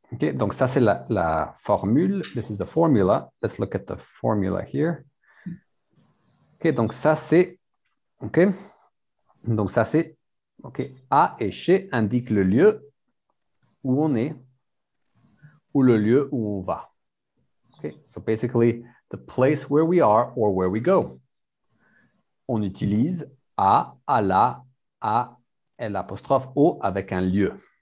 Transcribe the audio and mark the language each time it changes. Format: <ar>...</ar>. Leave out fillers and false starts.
<fr>Okay, donc ça c'est la formule.</fr> <en>This is the formula. Let's look at the formula here. Okay,</en> <fr>donc ça c'est</fr> <en>okay.</en> <fr>Donc ça c'est okay. A et chez indiquent le lieu où on est ou le lieu où on va.</fr> <en>Okay, so basically the place where we are or where we go.</en> <fr>On utilise à l'apostrophe O avec un lieu.</fr>